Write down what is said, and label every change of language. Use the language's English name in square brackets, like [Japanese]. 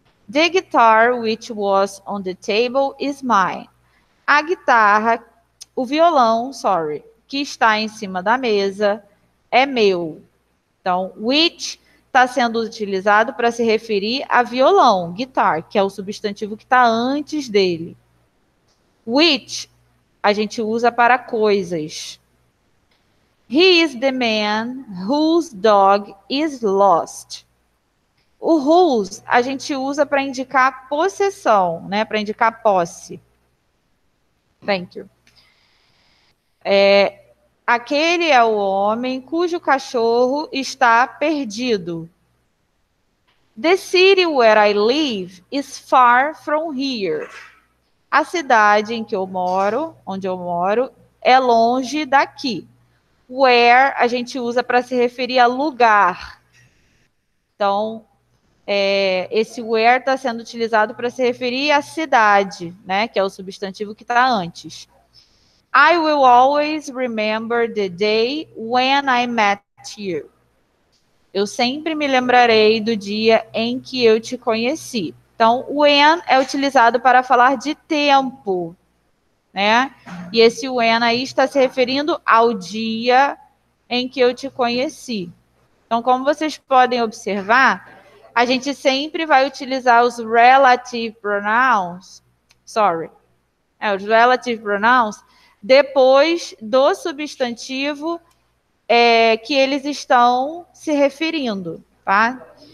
[English] The guitar which was on the table is mine. [Portuguese] A guitarra, o violão, sorry, que está em cima da mesa é meu. Então, which está sendo utilizado para se referir a violão, guitar, que é o substantivo que está antes dele. Which a gente usa para coisas. [English] He is the man whose dog is lost. [Portuguese] O whose a gente usa para indicar possessão, né? Para indicar posse. [English] Thank you. [Portuguese] Aquele é o homem cujo cachorro está perdido. [English] The city where I live is far from here. [Portuguese] A cidade em que eu moro, onde eu moro, é longe daqui. Where a gente usa para se referir a lugar. Então, esse where está sendo utilizado para se referir à cidade, né? Que é o substantivo que está antes. [English] I will always remember the day when I met you. [Portuguese] Eu sempre me lembrarei do dia em que eu te conheci. Então, when é utilizado para falar de tempo, né? E esse when aí está se referindo ao dia em que eu te conheci. Então, como vocês podem observar, a gente sempre vai utilizar os relative pronouns, sorry, os relative pronouns depois do substantivo que eles estão se referindo, tá?